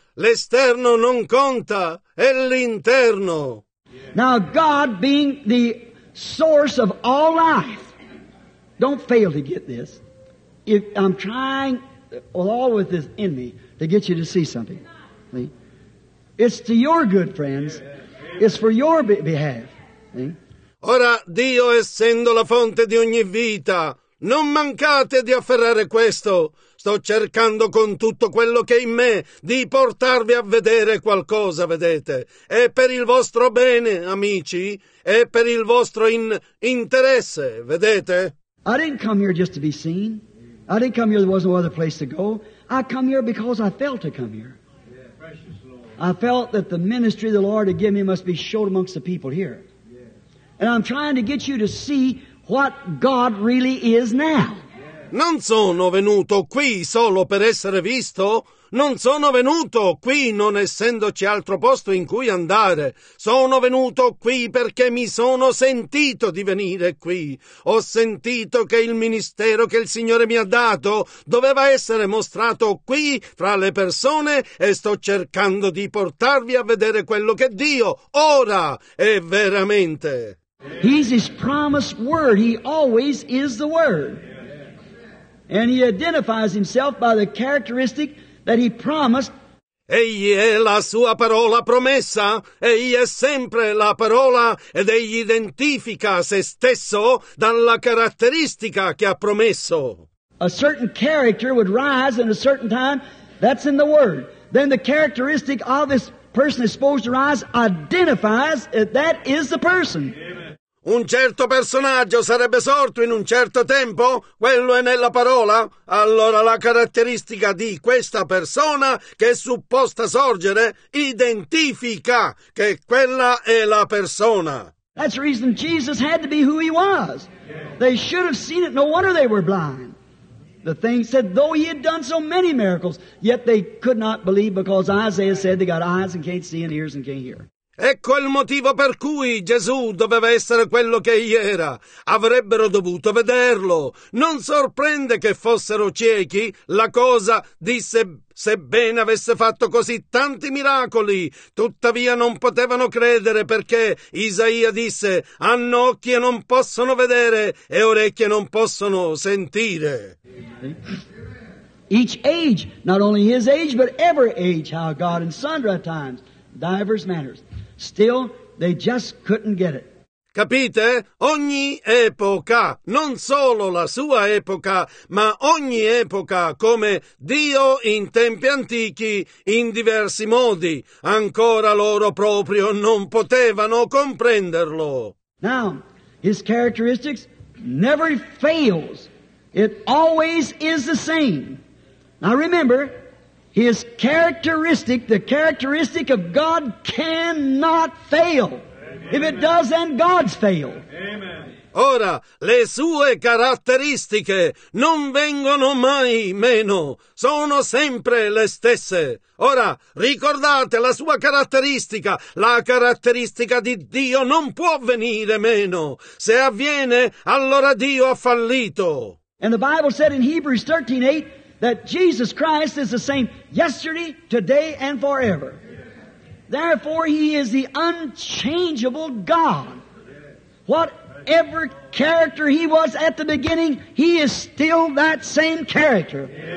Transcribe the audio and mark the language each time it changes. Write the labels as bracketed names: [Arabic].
[Italian] L'esterno non conta, è l'interno. [English] Now God being the source of all life, don't fail to get this. If I'm trying all with this in me to get you to see something. See? It's to your good, friends. It's for your behalf. [Italian] Ora, Dio essendo la fonte di ogni vita, non mancate di afferrare questo. Sto cercando con tutto quello che è in me di portarvi a vedere qualcosa, vedete? È per il vostro bene, amici, è per il vostro interesse, vedete? [English] I didn't come here just to be seen. I didn't come here, there was no other place to go. I come here because I felt to come here. I felt that the ministry the Lord had given me must be showed amongst the people here. Yeah. And I'm trying to get you to see what God really is now. Yeah. [Italian] Non sono venuto qui solo per essere visto. Non sono venuto qui non essendoci altro posto in cui andare. Sono venuto qui perché mi sono sentito di venire qui. Ho sentito che il ministero che il Signore mi ha dato doveva essere mostrato qui fra le persone e sto cercando di portarvi a vedere quello che Dio ora è veramente. [English] He's his promised word. He always is the word. And he identifies himself by the characteristic that he promised. [Italian] Egli è la sua parola promessa, egli è sempre la parola, ed egli identifica se stesso dalla caratteristica che ha promesso. [English] A certain character would rise in a certain time, that's in the word. Then the characteristic of this person is supposed to rise identifies that is the person. Amen. [Italian] Un certo personaggio sarebbe sorto in un certo tempo, quello è nella parola, allora la caratteristica di questa persona che è supposta sorgere identifica che quella è la persona. [English] That's the reason Jesus had to be who he was. They should have seen it, no wonder they were blind. The thing said, though he had done so many miracles, yet they could not believe because Isaiah said they got eyes and can't see and ears and can't hear. [Italian] Ecco il motivo per cui Gesù doveva essere quello che egli era. Avrebbero dovuto vederlo. Non sorprende che fossero ciechi? La cosa, disse, sebbene avesse fatto così tanti miracoli, tuttavia non potevano credere perché Isaia disse: hanno occhi e non possono vedere e orecchie non possono sentire. [English] Each age, not only his age, but every age, how God in sundry times, diverse manners. Still, they just couldn't get it. [Italian] Capite? Ogni epoca, non solo la sua epoca, ma ogni epoca, come Dio in tempi antichi, in diversi modi, ancora loro proprio non potevano comprenderlo. [English] Now, his characteristics never fails. It always is the same. Now remember, His characteristic, the characteristic of God cannot fail. Amen. If it does, then God's failed. [Italian] Ora, le sue caratteristiche non vengono mai meno, sono sempre le stesse. Ora, ricordate la sua caratteristica. La caratteristica di Dio non può venire meno. Se avviene, allora Dio ha fallito. [English] And the Bible said in Hebrews 13:8, that Jesus Christ is the same yesterday, today, and forever. Therefore, He is the unchangeable God. Whatever character He was at the beginning, He is still that same character.